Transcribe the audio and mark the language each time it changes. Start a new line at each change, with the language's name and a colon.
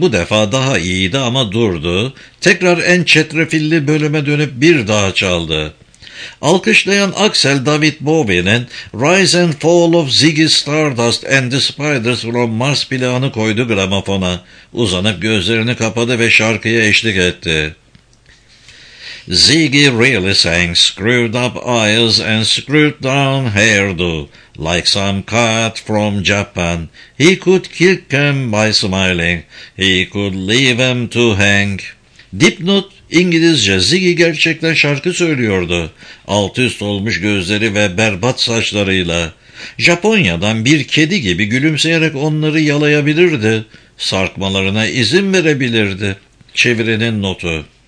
Turkish: Bu defa daha iyiydi ama durdu. Tekrar en çetrefilli bölüme dönüp bir daha çaldı. Alkışlayan Axel David Bowie'nin Rise and Fall of Ziggy Stardust and the Spiders from Mars plağını koydu gramofona. Uzanıp gözlerini kapadı ve şarkıya eşlik etti.
English: Ziggy really sang screwed up eyes and screwed down hairdo, like some cat from Japan. He could kick them by smiling, he could leave them to hang.
Turkish: Dipnot İngilizce Ziggy gerçekten şarkı söylüyordu. Alt üst olmuş gözleri ve berbat saçlarıyla. Japonya'dan bir kedi gibi gülümseyerek onları yalayabilirdi. Sarkmalarına izin verebilirdi. Çevirinin notu.